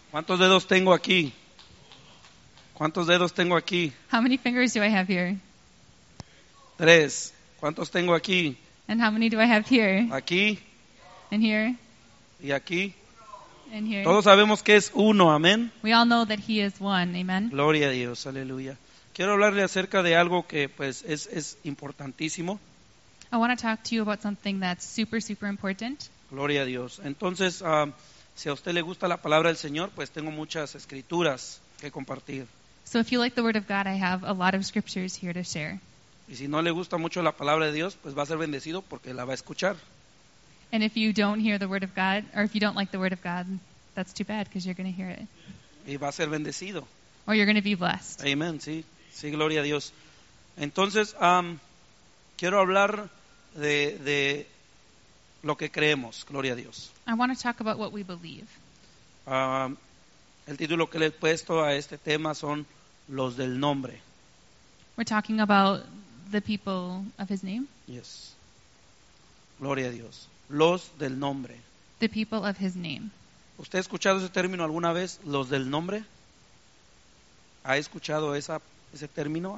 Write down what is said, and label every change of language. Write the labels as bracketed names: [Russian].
[Spanish] ¿Cuántos dedos tengo aquí? ¿Cuántos dedos tengo aquí? [English] How many fingers do I have here? [Spanish] Tres. ¿Cuántos tengo aquí? [English] And how many do I have here? [Spanish] Aquí. [English] And here. [Spanish] Y aquí. [English] And here. [Spanish] Todos sabemos que es uno, amén. [English] We all know that he is one, amen. [Spanish] Gloria a Dios, aleluya. Quiero hablarle acerca de algo que pues es importantísimo. [English] I want to talk to you about something that's super, super important. [Spanish] Gloria a Dios. Entonces, si a usted le gusta la palabra del Señor, pues tengo muchas escrituras que compartir. [English] So if you like the word of God, I have a lot of scriptures here to share. [Spanish] Y si no le gusta mucho la palabra de Dios, pues va a ser bendecido porque la va a escuchar. [English] And if you don't hear the word of God, or if you don't like the word of God, that's too bad because you're going to hear it. [Spanish] Y va a ser bendecido. [English] Or you're going to be blessed. [Spanish] Amen. Sí. Sí, gloria a Dios. Entonces, quiero hablar de lo que creemos. Gloria a Dios. [English] I want to talk about what we believe. [Spanish] El título que le he puesto a este tema son los del nombre. [English] We're talking about the people of his name. Yes. [Spanish] Gloria a Dios. Los del nombre. [English] The people of his name. [Spanish] ¿Usted ha escuchado ese término alguna vez? Los del nombre. ¿Ha escuchado ese término?